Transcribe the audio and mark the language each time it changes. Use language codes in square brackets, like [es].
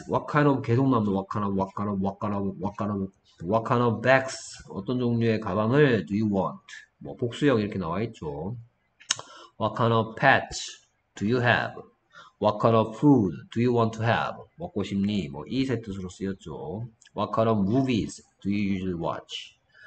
[en] what kind of 계속 나오면 what kind of bags? [ko] 어떤 종류의 가방을 [en] do you want? [ko] 뭐, 복수형 이렇게 나와 있죠. [en] what kind of pets? Do you have? What kind of food do you want to have? [ko] 먹고 싶니? 뭐이세 뜻으로 쓰였죠. [en] What kind of movies do you usually watch?